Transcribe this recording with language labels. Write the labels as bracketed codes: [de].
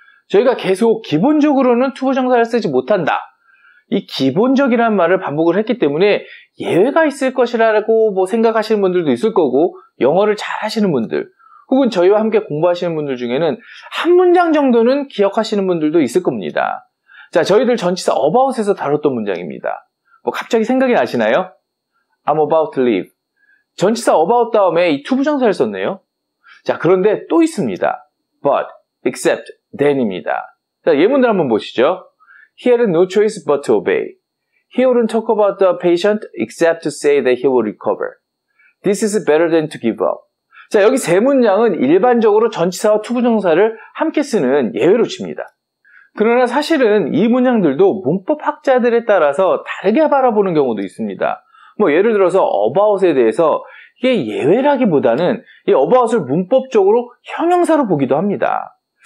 [ko] 저희가 계속 기본적으로는 투부정사를 쓰지 못한다. 이 기본적이라는 말을 반복을 했기 때문에 예외가 있을 것이라고 뭐 생각하시는 분들도 있을 거고, 영어를 잘 하시는 분들 혹은 저희와 함께 공부하시는 분들 중에는 한 문장 정도는 기억하시는 분들도 있을 겁니다. 자, 저희들 전치사 about에서 다뤘던 문장입니다. 뭐 갑자기 생각이 나시나요? [en] I'm about to leave. [ko] 전치사 about 다음에 이 투부정사를 썼네요. 자, 그런데 또 있습니다. But, except, then입니다. 자, 예문들 한번 보시죠. [en] He had no choice but to obey. He wouldn't talk about the patient except to say that he will recover. This is better than to give up. [ko] 자, 여기 세 문장은 일반적으로 전치사와 투부정사를 함께 쓰는 예외로 칩니다. 그러나 사실은 이 문장들도 문법학자들에 따라서 다르게 바라보는 경우도 있습니다. 뭐 예를 들어서 about에 대해서 이게 예외라기보다는 이 about을 문법적으로 형용사로 보기도 합니다.